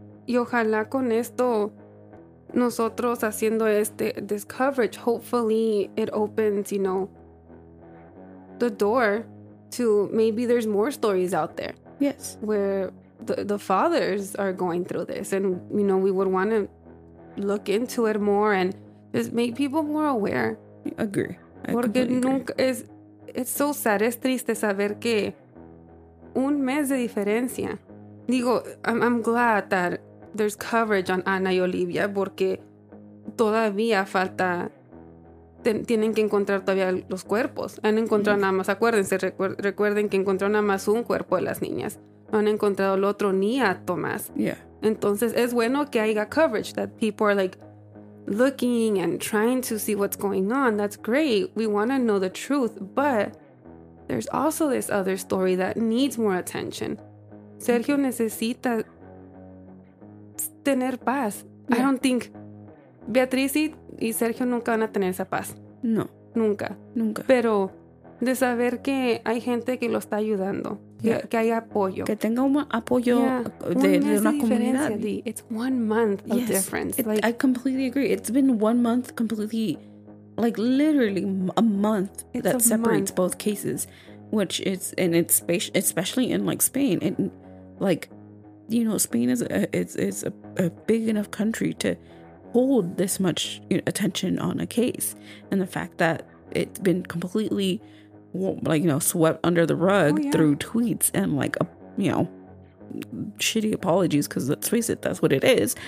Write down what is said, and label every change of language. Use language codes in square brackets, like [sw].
[es] Y ojalá con esto, nosotros haciendo [en] this coverage, hopefully it opens, you know, the door to maybe there's more stories out there. Yes. Where the fathers are going through this. And, you know, we would want to look into it more and just make people more aware. I agree. [es] Porque nunca es, [en] it's so sad. [es] Es triste saber que un mes de diferencia. Digo, [en] I'm glad that there's coverage on Ana y Olivia, [es] porque todavía falta. Tienen que encontrar todavía los cuerpos. Han encontrado nada más. Acuérdense, recuerden que encontraron nada más un cuerpo de las niñas. No han encontrado el otro ni a Tomás. [en] Yeah. [es] Entonces es bueno que haya [en] coverage, that people are like looking and trying to see what's going on. That's great. We want to know the truth, but there's also this other story that needs more attention. [es] Sergio necesita tener paz. Yeah. [en] I don't think [es] Beatriz y Sergio nunca van a tener esa paz. No. Nunca. Nunca. Pero de saber que hay gente que lo está ayudando. Yeah. Que hay apoyo. Que tenga un apoyo, yeah, de una comunidad. [en] It's 1 month of, yes, difference. Like, I completely agree. It's been 1 month completely, like literally a month that separates both cases. Which is, and it's especially in like Spain. And like, you know, Spain is a big enough country to hold this much attention on a case, and the fact that it's been completely like, you know, swept under the rug, oh, yeah, through tweets and like a, you know, shitty apologies, because let's face it, that's what it is.